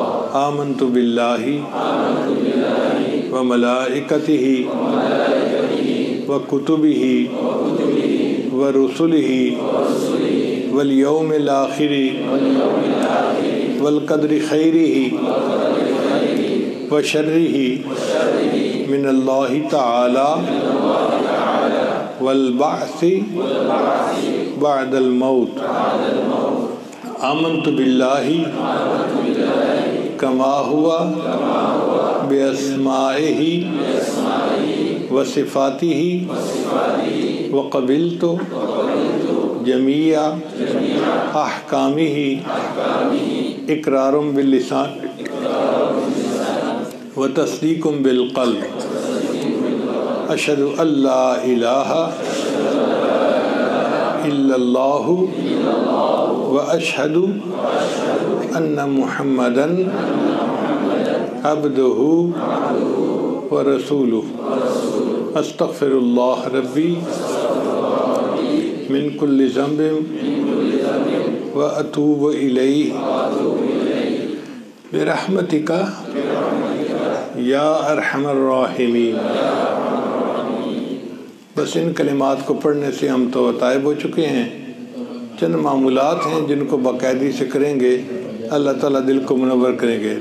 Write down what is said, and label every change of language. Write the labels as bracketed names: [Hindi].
[Arabic] Amantu billahi wa malaikatihi wa kutubihi wa rusulihi wal yawmil akhiri wal qadri khairihi wa sharrihi min Allahi ta'ala والبعث بعد الموت. آمنت بالله كما هو بأسمائه وصفاته وقبلت جميع أحكامه إقرار باللسان وتصديق بالقلب. أشهد أن لا إله إلا الله وأشهد أن محمدا عبده ورسوله. أستغفر الله ربي من كل ذنب وأتوب إليه. برحمتك يا أرحم الراحمين. [Urdu] بس ان کلمات کو پڑھنے سے ہم تو تائب ہو چکے ہیں. چند معمولات ہیں جن کو باقاعدگی سے کریں گے اللہ تعالیٰ دل کو منور کریں گے.